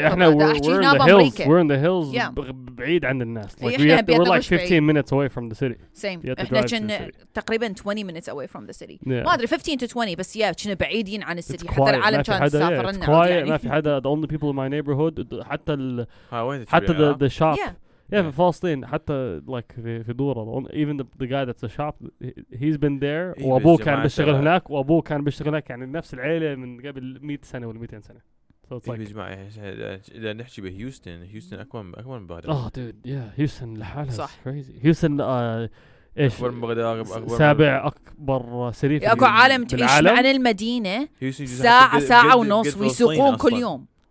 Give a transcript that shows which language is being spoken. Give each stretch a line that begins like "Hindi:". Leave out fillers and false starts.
Arabic: إحنا
English: we're in the hills. We're in the hills.
Arabic: بعيد عن الناس.
English: We're like 15 minutes away from the city. Same.
Arabic: إحنا كنا تقريبا
English: 20 minutes away from the city.
Arabic: ما أدري
English: 15 to 20
Arabic: بس يا كنا بعيدين عن السيتي حتى العالم كان سافرنا.
English: Quiet.
Arabic: ما في حدا.
English: The only people in my neighborhood.
Arabic: حتى ال حتى
English: the shop. Yeah, for Palestine,
Arabic: حتى
English: like
Arabic: في دورة,
English: even the guy that's the shop, he's been there.
Arabic: وابوه كان بيشتغل هناك, وابوه كان بيشتغل هناك, يعني نفس العيلة من قبل 100 سنة ولا 200 سنة.
English: So it's like.
Arabic: يا جماعة, إذا نحكي بهيوستن, هيوستن أكوان بعد.
English: Oh, dude, yeah,
Arabic: هيوستن لحالها. صح.
English: Crazy.
Arabic: هيوستن إيش؟ أكبر من بغداد, أكبر. سابع أكبر سيتي. أكو عالم تعيش عن المدينة. ساعة ساعة ونص ويسوقون كل يوم.